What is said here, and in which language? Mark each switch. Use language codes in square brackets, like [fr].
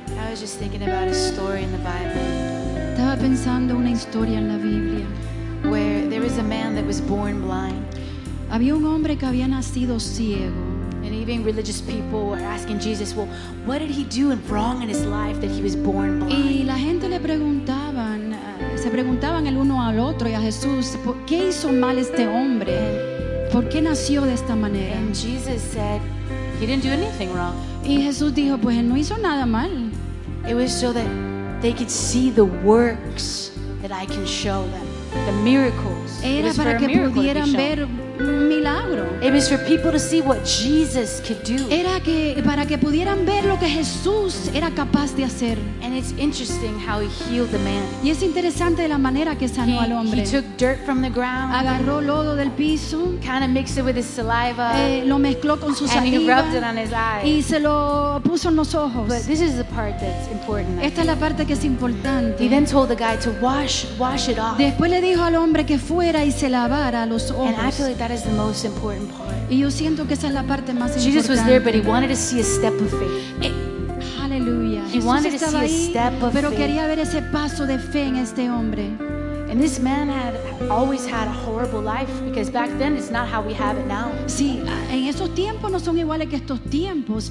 [en] was just thinking about a story in the Bible. [es] Estaba pensando una historia en la Biblia. [en] Where there was a man that was born blind. [es] Había un hombre que había nacido ciego. [en] And even religious people were asking Jesus, well, what did he do wrong in his life that he was born blind? [es] Y la gente le preguntaban, se preguntaban el uno al otro y a Jesús, ¿qué hizo mal este hombre? ¿Por qué nació de esta manera? [en] And Jesus said, he didn't do anything wrong. [es] Y Jesús dijo, pues él no hizo nada mal. [en] It was so that they could see the works that I can show them, the miracles. [es] Era para que pudieran ver un milagro. [en] It was for people to see what Jesus could do. [es] Era que para que pudieran ver lo que Jesús era capaz de hacer. [en] And it's interesting how he healed the man. [es] Y es interesante la manera que sanó al hombre. [en] He took dirt from the ground. [es] Agarró lodo del piso. [en] Kind of mixed it with his saliva. [es] Lo mezcló con su saliva. [en] And he rubbed it on his eyes. [es] Y se lo puso en los ojos. [en] But this is the part that's important. [es] Esta es la parte que es importante. [en] He then told the guy to wash it off. [es] Después le dijo al hombre que fuera y se lavara los ojos. [en] That is the most important part. [es] Y yo siento que esa es la parte más importante. [en] Jesus was there, but he wanted to see a step of faith. Hallelujah. He wanted to see a step of faith. [es] Pero quería ver ese paso de fe en este hombre. [en] And this man had always had a horrible life because back then it's not how we have it now. [es] Sí, en esos tiempos no son iguales que estos tiempos.